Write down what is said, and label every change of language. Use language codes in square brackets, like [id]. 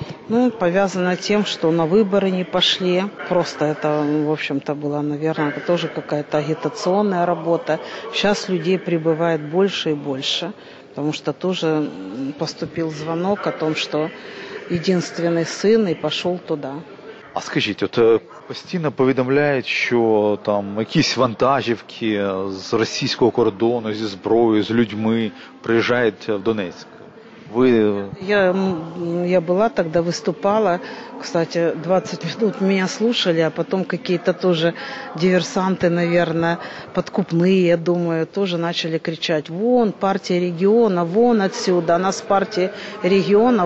[ru] Ну, повязано тем, что на выборы не пошли. Просто это, в общем-то, была, наверное, тоже какая-то агитационная работа. Сейчас людей прибывает больше и больше, потому что тоже поступил звонок о том, что единственный сын и пошел туда. [uk] А скажите, вот постоянно повідомляють, що там якісь вантажівки з російського кордону, зі зброєю, з людьми приїжджають в Донецьк. [ru] Я была тогда, выступала, кстати, 20 минут меня слушали, а потом какие-то тоже диверсанты, наверное, подкупные, я думаю, тоже начали кричать: «Вон партия региона, вон отсюда, нас партия региона».